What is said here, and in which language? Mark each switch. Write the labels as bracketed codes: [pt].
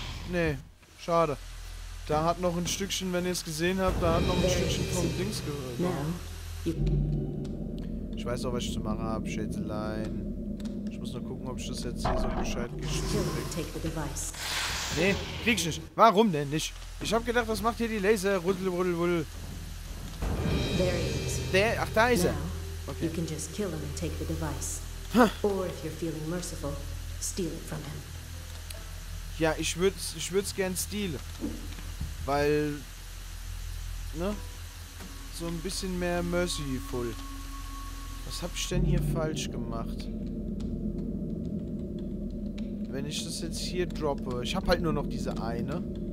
[de] Nee, schade. Da hat noch ein Stückchen, wenn ihr es gesehen habt, da hat noch ein Stückchen vom Dings gehört. Ich weiß auch, was ich zu machen habe, Schätzelein. Ich muss nur gucken, ob ich das jetzt hier so gescheit geschickt habe. Nee, krieg ich nicht. Warum denn nicht? Ich hab gedacht, was macht hier die Laser? Rudel, rudel, rudel. Der, ach, da ist er. Okay. [en] You can just kill him and take the device. Or if you're feeling merciful, steal it from him. [de] Ja, ich würd's gern stehlen. Weil, ne? So ein bisschen mehr merciful. Was hab ich denn hier falsch gemacht? Wenn ich das jetzt hier droppe. Ich hab halt nur noch diese eine.